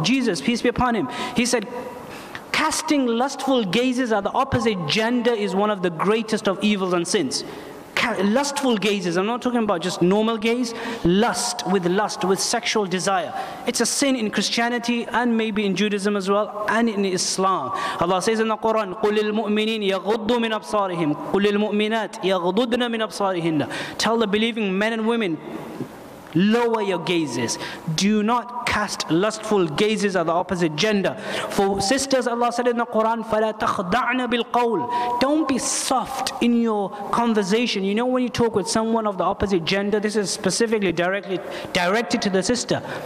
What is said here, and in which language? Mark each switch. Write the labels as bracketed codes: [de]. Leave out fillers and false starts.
[en] Jesus, peace be upon him, he said, casting lustful gazes at the opposite gender is one of the greatest of evils and sins. Lustful gazes, I'm not talking about just normal gaze, lust, with sexual desire. It's a sin in Christianity and maybe in Judaism as well and in Islam. Allah says in the Quran, [ar] قُلْ لِلْمُؤْمِنِينَ يَغُضُّ مِنْ أَبْصَارِهِمْ قُلْ لِلْمُؤْمِنَاتِ يَغُضُّنَ مِنْ أَبْصَارِهِنَّ. [en] Tell the believing men and women, lower your gazes. Do not cast lustful gazes at the opposite gender. For sisters, Allah said in the Quran, [ar] فَلَا تَخْدَعْنَ بِالْقَوْلِ. [en] Don't be soft in your conversation. You know when you talk with someone of the opposite gender, this is specifically directed to the sister.